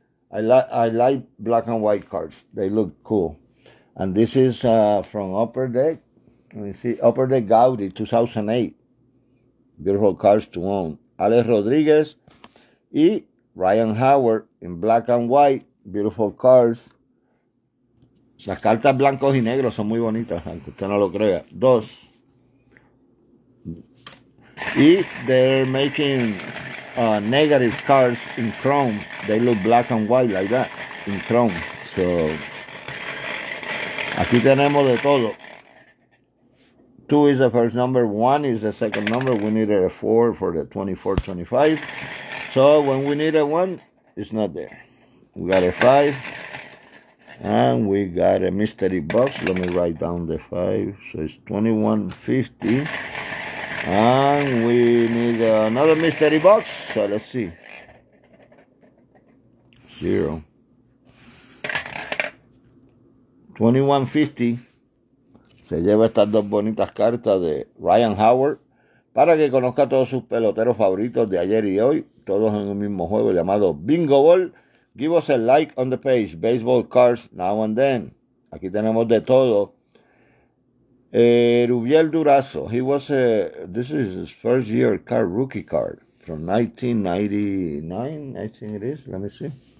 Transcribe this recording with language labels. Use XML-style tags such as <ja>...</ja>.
<en>I like black and white cards. They look cool. And this is from Upper Deck. Let me see. Upper Deck Gaudi, 2008. Beautiful cards to own. Alex Rodriguez and Ryan Howard in black and white. Beautiful cards.</en> <es>Las cartas blancos y negros son muy bonitas, aunque usted no lo crea.</es> <en>2. Y they're making negative cards in chrome. They look black and white like that in chrome. So,</en> <es>aquí tenemos de todo.</es> <en>2 is the first number. 1 is the second number. We needed a 4 for the 24-25. So when we need a 1, it's not there. We got a 5. And we got a mystery box. Let me write down the 5. So it's 21-50. And we need another mystery box. So let's see. 0. 21-50.</en> <es>Se lleva estas dos bonitas cartas de Ryan Howard para que conozca a todos sus peloteros favoritos de ayer y hoy, todos en un mismo juego llamado Bingo Ball.</es> <en>Give us a like on the page, Baseball Cards Now and Then.</en> <es>Aquí tenemos de todo.</es> <en>Rubiel Durazo, this is his first year card, rookie card, from 1999, I think it is, let me see.</en>